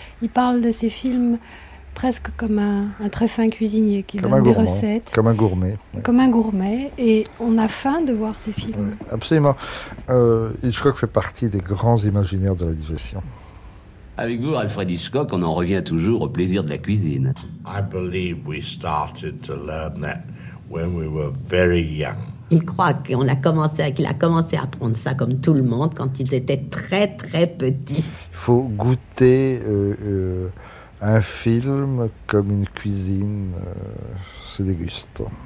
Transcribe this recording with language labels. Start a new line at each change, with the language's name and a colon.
French: Il parle de ses films presque comme un très fin cuisinier qui comme donne gourmand, des recettes. Comme un gourmet. Oui. Comme un gourmet. Et on a faim de voir ses films. Oui, absolument. Hitchcock fait partie des grands imaginaires de la digestion. Avec vous, Alfred Hitchcock, on en revient toujours au plaisir de la cuisine.
English: I believe we started to learn that when we were very young.
French: Il croit qu'il a commencé à apprendre ça comme tout le monde quand il était très très petit. Il faut goûter un film comme une cuisine se déguste.